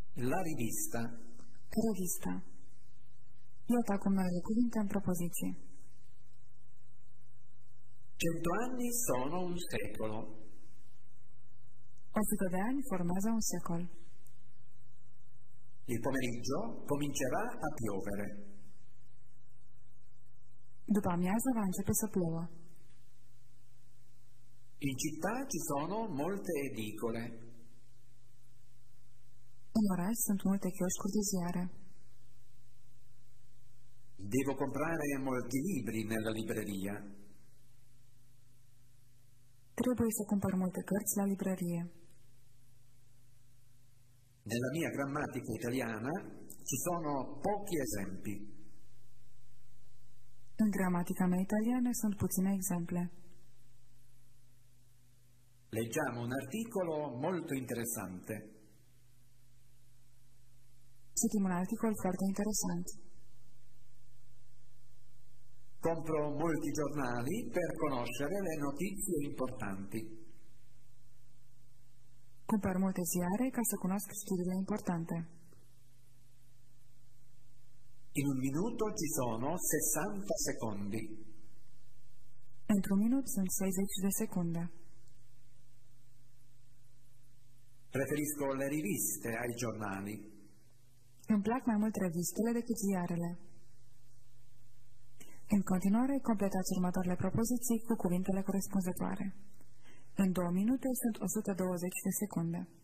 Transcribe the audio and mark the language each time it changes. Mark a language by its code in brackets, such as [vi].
[it] La rivista. [ro] Revista. Iată acum noi cuvinte în propoziție. [it] 100 anni sono un secolo. [ro] 100 de ani formează un secol. [it] Il pomeriggio comincerà a piovere. [ro] După amiază va începe să plouă. [it] In città ci sono molte edicole. [ro] În oraș sunt multe chioșcuri de ziare. [it] Devo comprare molti libri nella libreria. [ro] Trebuie să cumpăr multe cărți la librărie. [it] Nella mia grammatica italiana ci sono pochi esempi. [ro] În gramatica mea italiană sunt puține exemple. [it] Leggiamo un articolo molto interessante. [ro] Citim un articol foarte interesant. [it] Compro molti giornali per conoscere le notizie importanti. [ro] Cumpăr multe ziare ca să cunosc știrile importante. [it] In un minuto ci sono 60 secondi. [ro] Într-un minut sunt 60 de secunde. [it] Preferisco le riviste ai giornali. [ro] Îmi plac mai mult revistele decât ziarele. În continuare, completați următoarele propoziții cu cuvintele corespunzătoare. În 2 minute sunt 120 de secunde.